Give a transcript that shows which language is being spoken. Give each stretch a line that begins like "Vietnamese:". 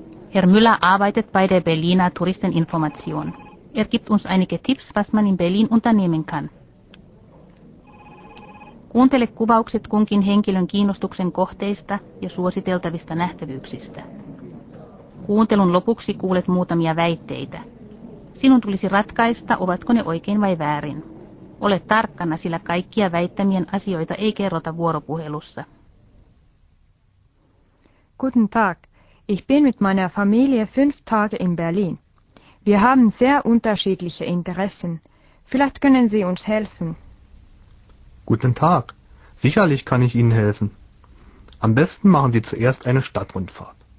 German: Herr Müller arbeitet bei der Berliner Touristeninformation. Er gibt uns einige Tipps, was man in Berlin unternehmen kann.
Finnish: Kuuntele kuvaukset kunkin henkilön kiinnostuksen kohteista ja suositeltavista nähtävyyksistä. Kuuntelun lopuksi kuulet muutamia väitteitä. Sinun tulisi ratkaista, ovatko ne oikein vai väärin. Ole tarkkana, sillä kaikkia väittämien asioita ei kerrota vuoropuhelussa.
German: Guten Tag. Ich bin mit meiner Familie 5 Tage in Berlin. Wir haben sehr unterschiedliche Interessen. Vielleicht können Sie uns helfen. Guten Tag. Sicherlich kann ich Ihnen helfen. Am besten machen Sie zuerst eine Stadtrundfahrt.